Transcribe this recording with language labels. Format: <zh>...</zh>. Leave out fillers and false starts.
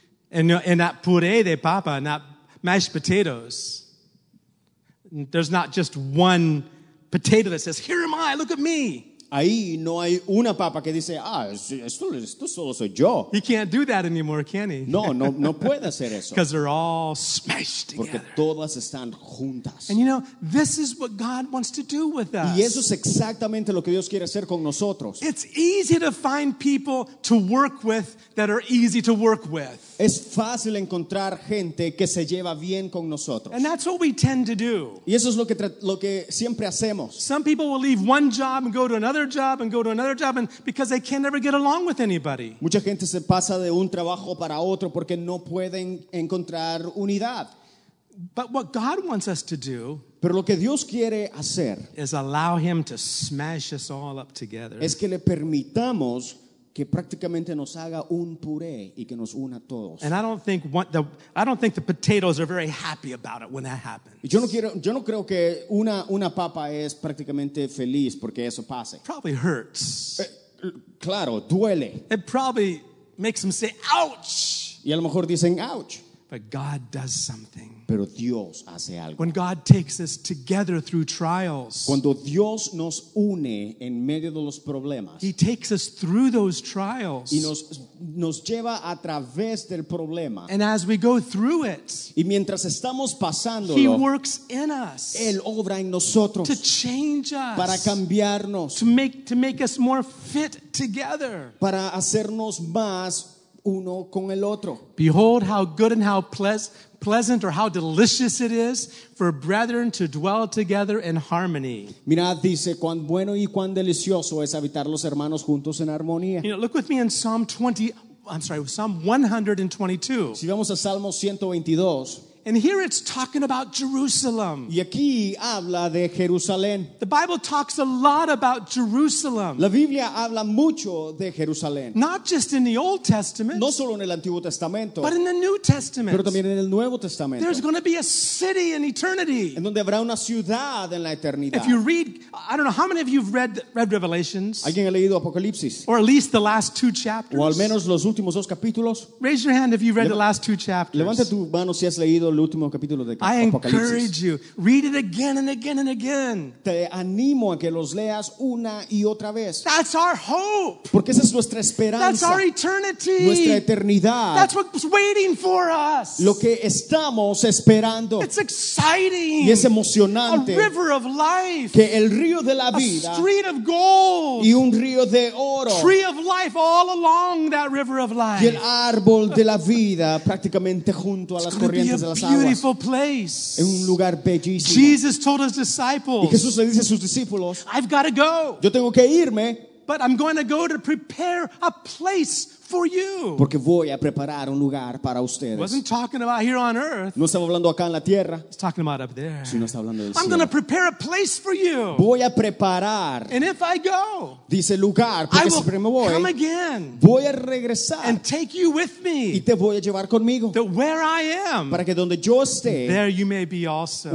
<en>And that puré de papa, not mashed potatoes, there's not just one potato that says, here am I, look at me.</en> <es>Ahí no hay una papa que dice, esto solo soy yo.</es> <en>He can't do that anymore, can he?</en> <es>No puede hacer eso.</es> <en>Because they're all smashed together.</en> <es>Porque todas están juntas.</es> <en>And you know, this is what God wants to do with us.</en> <es>Y eso es exactamente lo que Dios quiere hacer con nosotros.</es> <en>It's easy to find people to work with that are easy to work with.</en> <es>Es fácil encontrar gente que se lleva bien con nosotros.</es> <en>And that's what we tend to do.</en> <es>Y eso es lo que siempre hacemos.</es> <en>Some people will leave one job and go to another job and go to another job and because they can never get along with anybody.</en> <es>Mucha gente se pasa de un trabajo para otro porque no pueden encontrar unidad.</es> <en>But what God wants us to do,</en> <es>pero lo que Dios quiere hacer,</es> <en>is allow him to smash us all up together.</en> <es>Es que le permitamos que prácticamente nos haga un puré y que nos una a todos.</es> <en>And I don't think the potatoes are very happy about it when that happens.</en> <es>Yo no creo que una papa es prácticamente feliz porque eso pase.</es> <en>Probably hurts.</en> <es>Claro, duele.</es> <en>It probably makes them say ouch.</en> <es>Y a lo mejor dicen ouch.</es> <en>But God does something.</en> <es>Pero Dios hace algo.</es> <en>When God takes us together through trials,</en> <es>cuando Dios nos une en medio de los problemas,</es> <en>he takes us through those trials.</en> <es>Y nos lleva a través del problema.</es> <en>And as we go through it,</en> <es>y mientras estamos pasándolo,</es> <en>he works in us.</en> <es>Él obra en nosotros.</es> <en>To change us.</en> <es>Para cambiarnos.</es> <en>To make us more fit together.</en> <es>Para hacernos más uno con el otro.</es> <en>Behold how good and how pleasant or how delicious it is for brethren to dwell together in harmony.</en> <es>Mirad, dice, cuán bueno y cuán delicioso es habitar los hermanos juntos en armonía.</es> <en>You know, look with me in Psalm 122.</en> <es>Si vamos a Salmo 122.</es> <en>And here it's talking about Jerusalem.</en> <es>Y aquí habla de Jerusalén.</es> <en>The Bible talks a lot about Jerusalem.</en> <es>La Biblia habla mucho de Jerusalén.</es> <en>Not just in the Old Testament.</en> <es>No solo en el Antiguo Testamento.</es> <en>But in the New Testament.</en> <es>Pero también en el Nuevo Testamento.</es> <en>There's going to be a city in eternity.</en> <es>En donde habrá una ciudad en la eternidad.</es> <en>If you read, I don't know how many of you've read Revelations.</en> <es>¿Alguien ha leído Apocalipsis?</es> <en>Or at least the last two chapters.</en> <es>O al menos los últimos dos capítulos.</es> <en>Raise your hand if you've read the last two chapters.</en> <es>Levanta tu mano si has leído.</es> <en>I encourage you, read it again and again and again.</en> <es>Te animo a que los leas una y otra vez.</es> <en>That's our hope.</en> <es>Porque esa es nuestra esperanza.</es> <en>That's our eternity.</en> <es>Nuestra eternidad.</es> <en>That's what's waiting for us.</en> <es>Lo que estamos esperando.</es> <en>It's exciting.</en> <es>Y es emocionante.</es> <en>A river of life.</en> <es>Que el río de la vida.</es> <en>A street of gold.</en> <es>Y un río de oro.</es> <en>Tree of life all along that river of life.</en> <es>Y el árbol de la vida prácticamente junto a las corrientes.</es> <en>A beautiful place.</en> <es>En un lugar bellísimo.</es> <en>Jesus told his disciples.</en> <es>Y Jesús le dice a sus discípulos.</es> <en>I've got to go.</en> <es>Yo tengo que irme.</es> <en>But I'm going to go to prepare a place for you.</en> <es>Porque voy a preparar un lugar para ustedes.</es> <en>Wasn't talking about here on earth.</en> <es>No estaba hablando acá en la tierra.</es> <en>He's talking about up there.</en> <es>Sino está hablando del cielo.</es> <en>I'm going to prepare a place for you.</en> <es>Voy a preparar.</es> <en>And if I go,</en> <es>dice lugar, porque siempre me voy.</es> <en>Come again.</en> <es>Voy a regresar.</es> <en>And take you with me.</en> <es>Y te voy a llevar conmigo.</es> <en>That where I am,</en> <es>para que donde yo esté,</es> <en>there you may be also.</en>